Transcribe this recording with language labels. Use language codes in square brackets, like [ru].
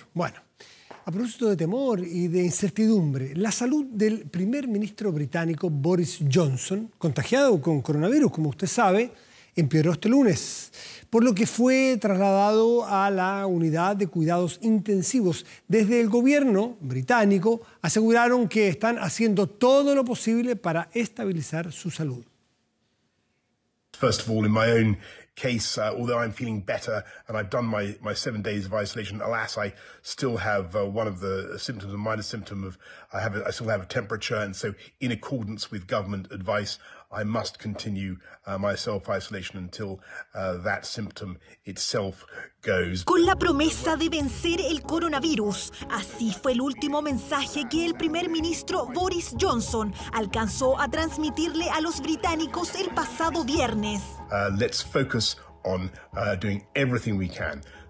[es] Bueno, a propósito de temor y de incertidumbre, la salud del primer ministro británico Boris Johnson, contagiado con coronavirus, como usted sabe, empeoró este lunes, por lo que fue trasladado a la unidad de cuidados intensivos. Desde el gobierno británico aseguraron que están haciendo todo lo posible para estabilizar su salud. [en] First of all, in my own case, although I'm feeling better and I've done my 7 days of isolation, alas, I still have one of the symptoms, a minor symptom of I still have a temperature, and so in accordance with government advice, I must continue my self-isolation until that symptom itself goes. [es] Con la promesa de vencer el coronavirus, así fue el último mensaje que el primer ministro Boris Johnson alcanzó a transmitirle a los británicos el pasado viernes. [en] Let's focus on doing everything we can.